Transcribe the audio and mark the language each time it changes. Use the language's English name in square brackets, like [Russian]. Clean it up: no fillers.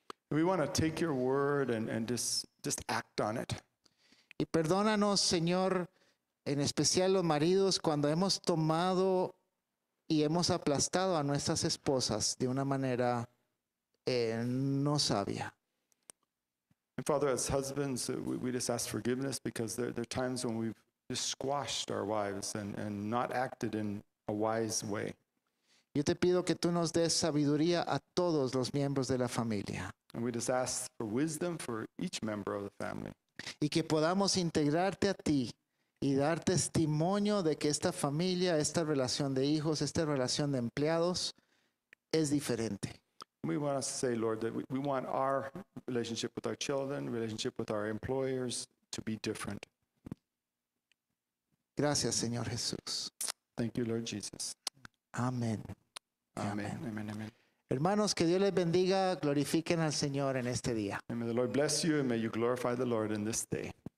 [English] We want to take your word and just act on it. [Spanish] Y perdónanos, Señor, en especial los maridos, cuando hemos tomado y hemos aplastado a nuestras esposas de una manera no sabia. [English] And Father, as husbands, we just ask forgiveness because there are times when we've just squashed our wives and not acted in a wise way. [Spanish] Yo te pido que tú nos des sabiduría a todos los miembros de la familia. [English] And we just ask for wisdom for each member of the family. [Spanish] Y que podamos integrarte a ti y dar testimonio de que esta familia, esta relación de hijos, esta relación de empleados es diferente. [English] We want to say, Lord, that we want our relationship with our children, relationship with our employers to be different. [Spanish] Gracias, Señor Jesús. [English] Thank you, Lord Jesus. [Spanish] Amén. Amén. Amén. Amén. Amén. Hermanos, que Dios les bendiga, glorifiquen al Señor en este día. [English] And may the Lord bless you and may you glorify the Lord in this day.